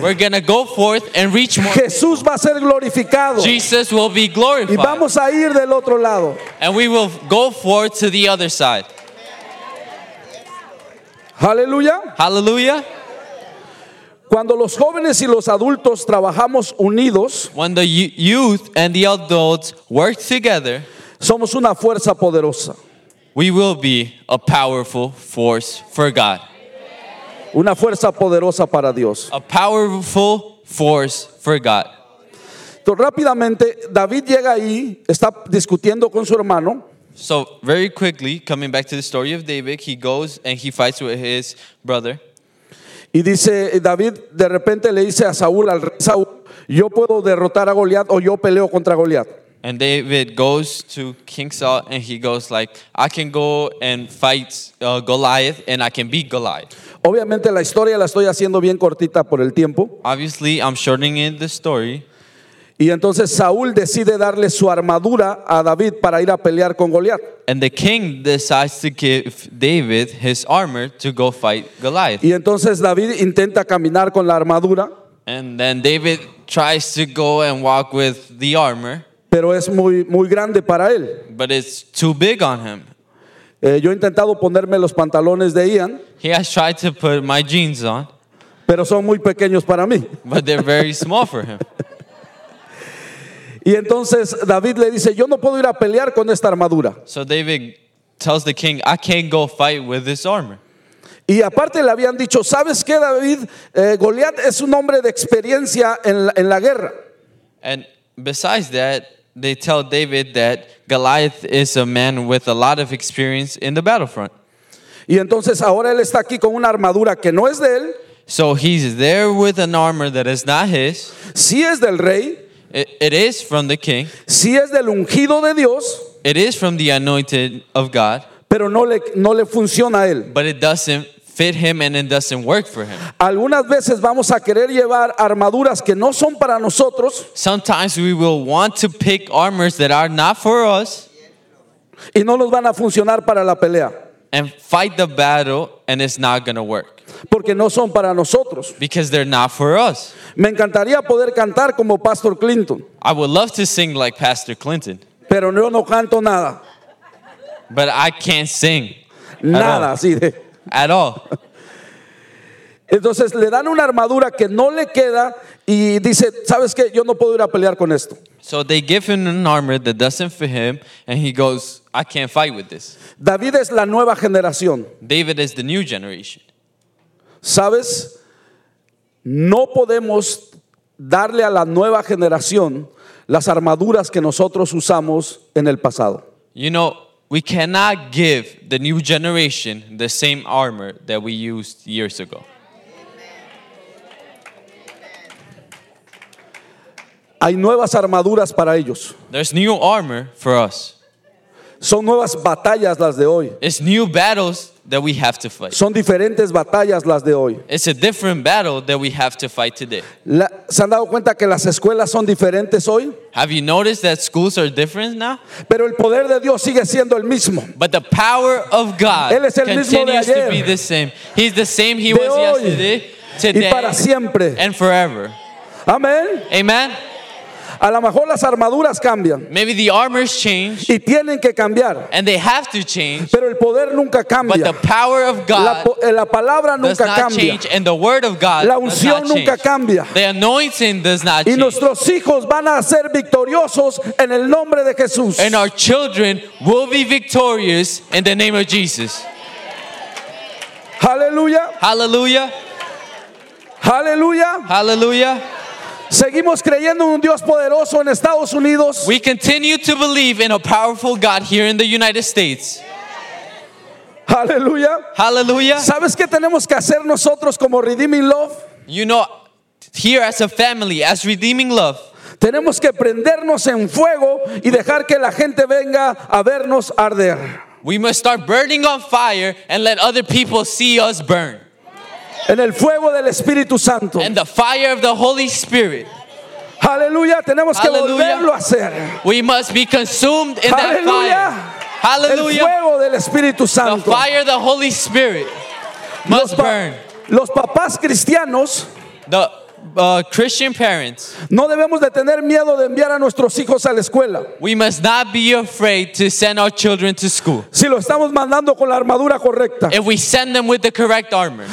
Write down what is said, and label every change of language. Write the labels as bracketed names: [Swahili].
[English] We're going to go forth and reach more. [Spanish] Jesús [English] people. [Spanish] Va a ser glorificado. [English] Jesus will be glorified. [Spanish] Y vamos a ir del otro lado. [English] And we will go forth to the other side. Hallelujah. Hallelujah. [Spanish] Cuando los jóvenes y los adultos trabajamos unidos, [English] when the youth and the adults work together, [Spanish] somos una fuerza poderosa. [English] We will be a powerful force for God. [Spanish] Una fuerza poderosa para Dios. [English] A powerful force for God. [Spanish] Entonces, rápidamente, David llega ahí, está discutiendo con su hermano. [English] So, very quickly, coming back to the story of David, he goes and he fights with his brother. [Spanish] Y dice, David, de repente le dice a Saúl, al rey Saúl, yo puedo derrotar a Goliat o yo peleo contra Goliat. [English] And David goes to King Saul and he goes like, I can go and fight Goliath and I can beat Goliath. [Spanish] Obviamente la historia la estoy haciendo bien cortita por el tiempo. [English] Obviously, I'm shortening in the story. [Spanish] Y entonces Saúl decide darle su armadura a David para ir a pelear con Goliat. [English] And the king decides to give David his armor to go fight Goliath. [Spanish] Y entonces David intenta caminar con la armadura. [English] And then David tries to go and walk with the armor. [Spanish] Pero es muy, muy grande para él. [English] But it's too big on him. [Spanish] Yo he intentado ponerme los pantalones de Ian. [English] He has tried to put my jeans on. [Spanish] Pero son muy pequeños para mí. [English] But they're very small for him. [Spanish] Y entonces David le dice, yo no puedo ir a pelear con esta armadura. [English] So David tells the king, I can't go fight with this armor. [Spanish] Y aparte le habían dicho, ¿sabes qué, David? Goliat es un hombre de experiencia en la guerra. [English] And besides that, they tell David that Goliath is a man with a lot of experience in the battlefront. [Spanish] Y entonces ahora él está aquí con una armadura que no es de él. [English] So he's there with an armor that is not his. [Spanish] Sí es del rey. [English] It is from the king. [Spanish] Sí es del ungido de Dios. [English] It is from the anointed of God. [Spanish] Pero no le funciona a él. [English] But it doesn't fit him and it doesn't work for him. [Spanish] Algunas veces vamos a querer llevar armaduras que no son para nosotros. [English] Sometimes we will want to pick armors that are not for us. [Spanish] Y no nos van a funcionar para la pelea. [English] And fight the battle and it's not going to work. [Spanish] Porque no son para nosotros. [English] Because they're not for us. [Spanish] Me encantaría poder cantar como Pastor Clinton. [English] I would love to sing like Pastor Clinton. [Spanish] Pero yo no canto nada. [English] But I can't sing. [Spanish] Nada, sí. [English] At all. [Spanish] Entonces le dan una armadura que no le queda y dice, ¿sabes qué? Yo no puedo ir a pelear con esto. [English] So they give him an armor that doesn't fit him and he goes, I can't fight with this. [Spanish] David es la nueva generación. [English] David is the new generation. [Spanish] ¿Sabes? No podemos darle a la nueva generación las armaduras que nosotros usamos en el pasado. [English] You know, we cannot give the new generation the same armor that we used years ago. [Spanish] Hay nuevas armaduras para ellos. [English] There's new armor for us. [Spanish] Son nuevas batallas las de hoy. [English] It's new battles that we have to fight. [Spanish] Son diferentes batallas las de hoy. [English] It's a different battle that we have to fight today. [Spanish] ¿Se han dado cuenta que las escuelas son diferentes hoy? [English] Have you noticed that schools are different now? [Spanish] Pero el poder de Dios sigue siendo el mismo. [English] But the power of God continues to be the same. He's the same he was yesterday, today, [Spanish] y para siempre. [English] And forever. Amen. Amen. [Spanish] A lo mejor las armaduras cambian. [English] Maybe the armors change. [Spanish] Y tienen que cambiar. [English] And they have to change. [Spanish] Pero el poder nunca cambia. [English] But the power of God [Spanish] la palabra nunca [English] does not [Spanish] cambia. [English] Change. And the word of God [Spanish] la unción [English] does not [Spanish] nunca [English] change. [Spanish] Cambia. [English] The anointing does not [Spanish] y [English] change. [Spanish] Y nuestros hijos van a ser victoriosos en el nombre de Jesús. [English] And our children will be victorious in the name of Jesus. Hallelujah. Hallelujah. Hallelujah. Hallelujah. [Spanish] Seguimos creyendo en un Dios poderoso en Estados Unidos. [English] We continue to believe in a powerful God here in the United States. Hallelujah. Hallelujah. [Spanish] ¿Sabes qué tenemos que hacer nosotros como Redeeming Love? [English] You know, here as a family, as Redeeming Love, [Spanish] tenemos que prendernos en fuego y dejar que la gente venga a vernos arder. [English] We must start burning on fire and let other people see us burn. [Spanish] En el fuego del Espíritu Santo. [English] And the fire of the Holy Spirit. [Spanish] Hallelujah. Tenemos que volverlo a hacer. [English] We must be consumed in Hallelujah. That fire. Hallelujah. [Spanish] El fuego del Espíritu Santo. [English] The fire of the Holy Spirit must burn. [Spanish] Los papás cristianos. [English] Christian parents. [Spanish] No debemos de tener miedo de enviar a nuestros hijos a la escuela. [English] We must not be afraid to send our children to school. [Spanish] Si lo estamos mandando con la armadura correcta. [English] If we send them with the correct armor.